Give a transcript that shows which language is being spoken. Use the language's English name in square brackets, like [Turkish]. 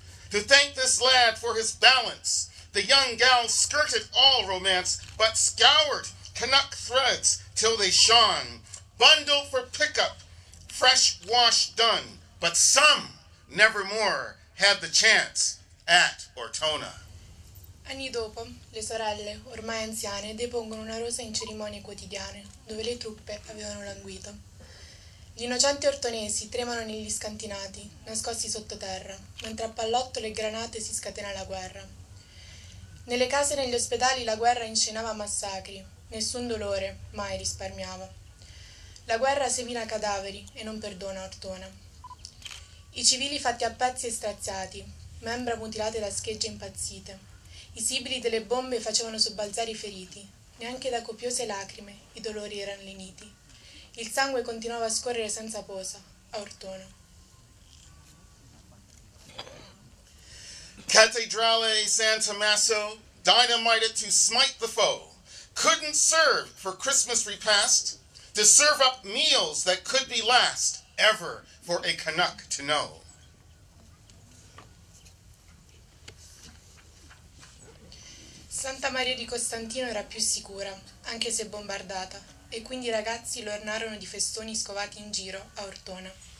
[English] To thank this lad for his balance, the young gal skirted all romance, but scoured Canuck threads till they shone, bundle for pickup, fresh wash done, but some nevermore had the chance at Ortona. [Italian] Anni dopo, le sorelle, ormai anziane, depongono una rosa in cerimonie quotidiane, dove le truppe avevano languito. Gli innocenti ortonesi tremano negli scantinati, nascosti sottoterra, mentre a pallotto le granate si scatena la guerra. Nelle case e negli ospedali la guerra inscenava massacri. Nessun dolore mai risparmiava. La guerra semina cadaveri e non perdona Ortona. I civili fatti a pezzi e straziati, membra mutilate da schegge impazzite. I sibili delle bombe facevano sobbalzare i feriti. Neanche da copiose lacrime i dolori erano leniti. Il sangue continuava a scorrere senza posa a Ortona. [English] Cattedrale San Tommaso, dynamite to smite the foe. Couldn't serve for Christmas repast, to serve up meals that could be last ever for a Canuck to know. [Italian] Santa Maria di Costantino era più sicura, anche se bombardata, e quindi i ragazzi lo ornarono di festoni scovati in giro a Ortona.